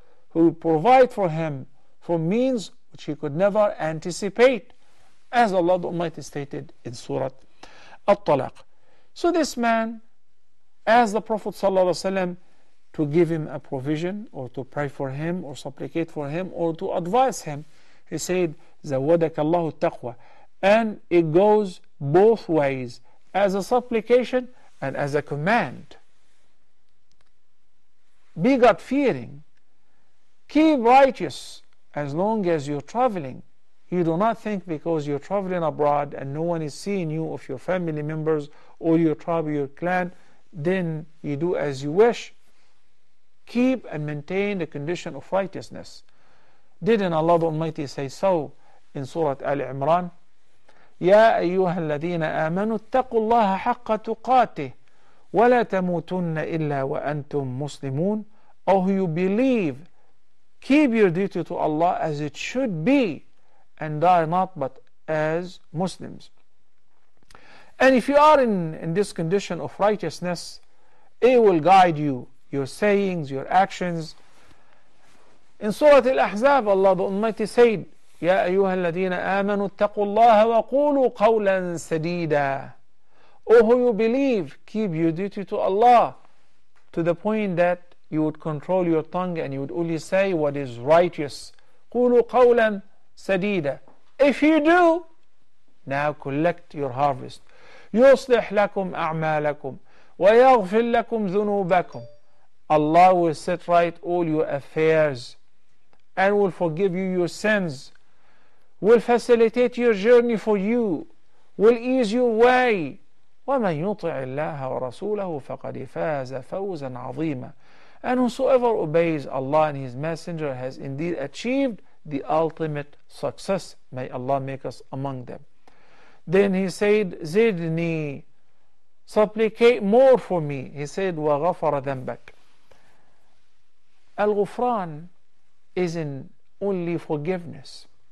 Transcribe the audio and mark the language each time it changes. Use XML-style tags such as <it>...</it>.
<en>Who will provide for him for means which he could never anticipate. As Allah the Almighty stated in Surah At-Talaq. So this man asked the Prophet ﷺ to give him a provision, or to pray for him, or supplicate for him, or to advise him. He said,</en> <ar>زَوَدَكَ اللَّهُ التَّقْوَى.</ar> <en>And it goes both ways, as a supplication and as a command. Be God-fearing. Keep righteous as long as you're traveling. You do not think because you're traveling abroad and no one is seeing you of your family members or your tribe, your clan, then you do as you wish. Keep and maintain the condition of righteousness. Didn't Allah the Almighty say so in Surah Ali Imran?</en> <ar>يَا أَيُّهَا الَّذِينَ آمَنُوا اتَّقُوا اللَّهَ حَقَّ تُقَاتِهِ وَلَا تَمُوتُنَّ إِلَّا وَأَنْتُمْ مُسْلِمُونَ.</ar> <en>Oh, you believe, keep your duty to Allah as it should be, and die not but as Muslims. And if you are in this condition of righteousness, it will guide you, your sayings, your actions. In Surah Al-Ahzab, Allah the Almighty said,</en> <ar>يَا أَيُّهَا الَّذِينَ آمَنُوا اتَّقُوا اللَّهَ وَقُولُوا قَوْلًا سَدِيدًا.</ar> <en>Oh, who you believe, keep your duty to Allah to the point that you would control your tongue and you would only say what is righteous.</en> <ar>قُولُوا قَوْلًا سديدة.</ar> <en>If you do, now collect your harvest.</en> <ar>يصلح لكم أعمالكم ويغفر لكم ذنوبكم.</ar> <en>Allah will set right all your affairs and will forgive you your sins, will facilitate your journey for you, will ease your way.</en> <ar>ومن يطع الله ورسوله فقد فاز فوزا عظيما.</ar> <en>And whosoever obeys Allah and His Messenger has indeed achieved the ultimate success. May Allah make us among them. Then he said, Zidni, supplicate more for me. He said,</en> <ar>Wa ghafara dhanbak.</ar> <en>Al-Ghufran isn't only forgiveness.</en>